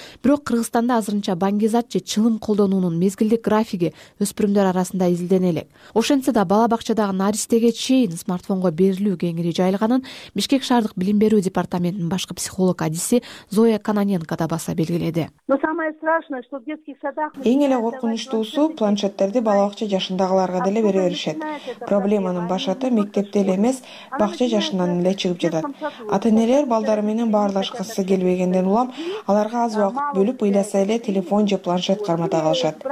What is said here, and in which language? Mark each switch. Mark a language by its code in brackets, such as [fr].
[ky] Бирок Кыргызстанда азырынча баңгизат же чылым колдонуунун мезгилдик графиги өспүрүмдөр арасында изилдене элек. Ошентсе да бала бакчадагы наристеге чейин смартфонго берилүү кеңири жайылганын Бишкек шаардык билим берүү департаментинин башкы психолог адиси Зоя Кананенко да баса белгиледи. [ru] Но самое страшное, что в детских садах [ky] эң эле коркунучтуусу планшеттерди бала бакча жашындагыларга деле бере беришет. Проблеманын башаты мектепте эле эмес, бакча жашынан эле чыгып жатат. Ата-энелер балдары менен баарлашкысы келбегенден улам аларга аз убакыт бөлүп ыйласа эле телефон же планшет кармата калышат.